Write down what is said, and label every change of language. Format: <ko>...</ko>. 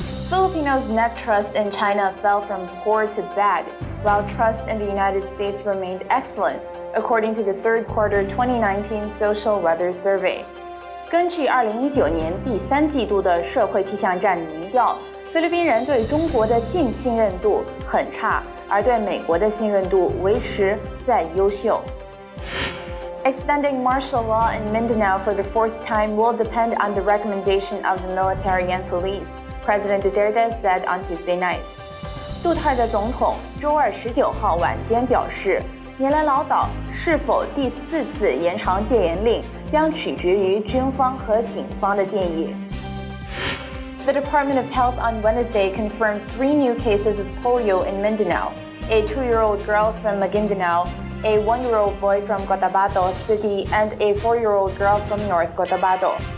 <en>Filipinos' net trust in China fell from poor to bad, while trust in the United States remained excellent, according to the third quarter 2019 Social Weather Survey.</en> <zh>根据2019年第三季度的社会气象站民调，菲律宾人对中国的净信任度很差，而对美国的信任度维持在优秀。</zh> <en>Extending martial law in Mindanao for the fourth time will depend on the recommendation of the military and police, President Duterte said on Tuesday night.</en> <zh>杜特尔特总统周二19号晚间表示，年来老早是否第四次延长戒严令将取决于军方和警方的建议。</zh> <en>The Department of Health on Wednesday confirmed 3 new cases of polio in Mindanao, a 2-year-old girl from Maguindanao, a 1-year-old boy from Cotabato City, and a 4-year-old girl from North Cotabato.</en>